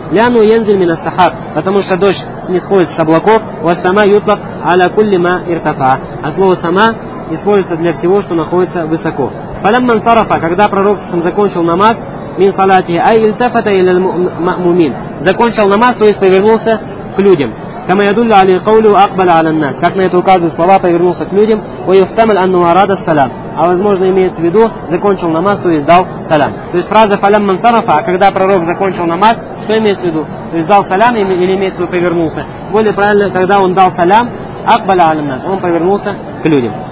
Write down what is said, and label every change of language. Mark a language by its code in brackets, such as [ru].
[ar] Ляну янзель мина сахар. [ru] Потому что дождь снисходит с облаков. [ar] Ва сама ютлак аля кулли ма иртафа. [ru] А слово сама используется для всего, что находится высоко. [ar] Палям ман сарафа. [ru] Когда пророк сам закончил намаз. [ar] Мин салатихи. Ай ильтафата илля ма'мумин. [ru] Закончил намаз, то есть повернулся к людям. [ar] كما يدل على قوله أقبل على الناس. [ru] Как на это указывают слова, повернулся к людям. [ar] ويحتمل أنه أراد السلام. [ru] А возможно имеется в виду, закончил намаз, то есть дал салям. То есть фраза [ar] فلما انصرف, [ru] а когда пророк закончил намаз, что имеется в виду? То есть дал салям или имеется в виду повернулся? Более правильно, когда он дал салям, [ar] أقبل على الناس, [ru] он повернулся к людям.